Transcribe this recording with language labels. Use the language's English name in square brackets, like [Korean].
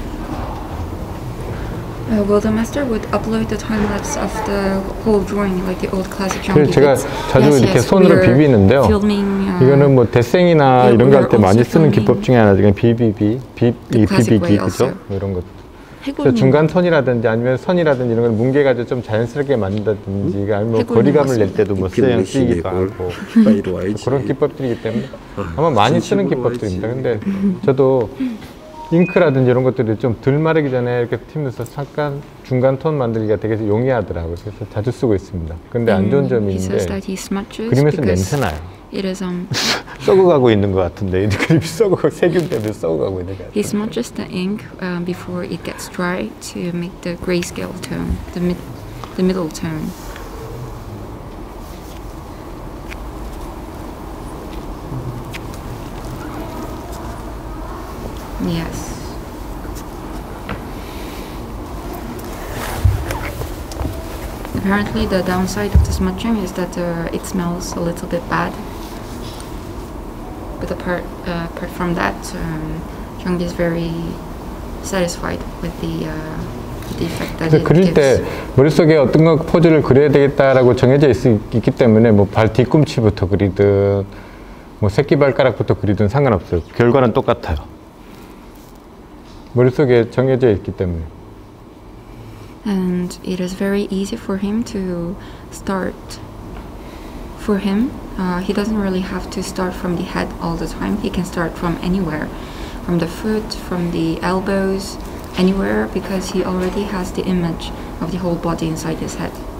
[English] 어, well, the master would upload the time lapse of the whole drawing, like the old classic drawing. [Korean] 제가 자주 yes, 이렇게 손으로 비비는데요. Filming, 이거는 뭐 대생이나 yeah, 이런 거 할 때 많이 쓰는 기법 중에 하나 중에 비비비 비 비비기 그죠? 뭐 이런 것. 중간 선이라든지 아니면 선이라든지 이런 걸 뭉개가지고 좀 자연스럽게 만든다든지 아니면 거리감을 낼 때도 뭐 쓰는 쓰기도 하고 그런 기법들이기 때문에 아마 많이 쓰는 기법들입니다. 근데 저도 잉크라든지 이런 것들이 좀 덜 마르기 전에 이렇게 튀면서 잠깐 중간 톤 만들기가 되게 용이하더라고요. 그래서 자주 쓰고 있습니다. 근데 안 좋은 점이 있는데 그림에서 냄새나요. 썩어가고 있는 것 같은데 이 그림이 썩어가고 세균 때문에 썩어가고 있는 것 같아요. [English] He smudges the ink before it gets dry to make the grayscale tone, the middle tone. [Korean] 예스. [English] Apparently the downside of the smudging is that it smells a little bit bad. But apart from that, Hyung-gi is very satisfied with the effect that it gives. [Korean] 그릴 때 머릿속에 어떤 거 포즈를 그려야 되겠다라고 정해져 있기 때문에 뭐 발 뒤꿈치부터 그리든 뭐 새끼 발가락부터 그리든 상관없어요. 결과는 똑같아요. 머릿속에 정해져 있기 때문에. [English] And it is very easy for him to start. For him, he doesn't really have to start from the head all the time. He can start from anywhere, from the foot, from the elbows, anywhere, because he already has the image of the whole body inside his head.